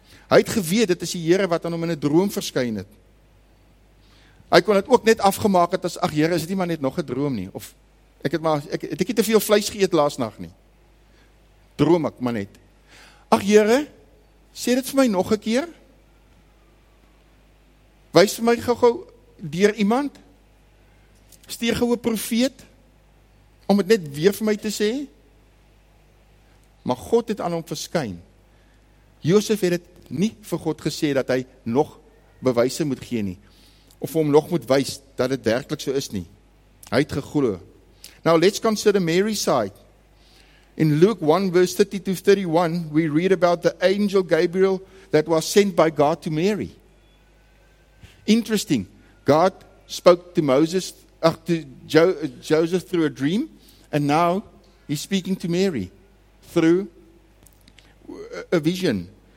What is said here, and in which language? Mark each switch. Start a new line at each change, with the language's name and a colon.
Afrikaans: Hy het geweet, dit is die Here wat aan hom in 'n droom verskyn het. Hy kon het ook net afgemaak het as, ach, Here, is dit nie maar net nog 'n droom nie, of Ek het nie te veel vleis geëet laas nag nie. Droom ek maar net. Ag Here, sê dit vir my nog 'n keer. Wys vir my gou-gou deur iemand. Stuur gou 'n profeet om het net weer vir my te sê. Maar God het aan hom verskyn. Josef het dit nie vir God gesê dat hy nog bewyse moet gee nie of hom nog moet wys dat dit werklik so is nie. Hy het geglo.
English: Now let's consider Mary's side. In Luke 1 verse 30 to 31, we read about the angel Gabriel that was sent by God to Mary. Interesting. God spoke to Moses, Joseph through a dream, and now he's speaking to Mary through a vision.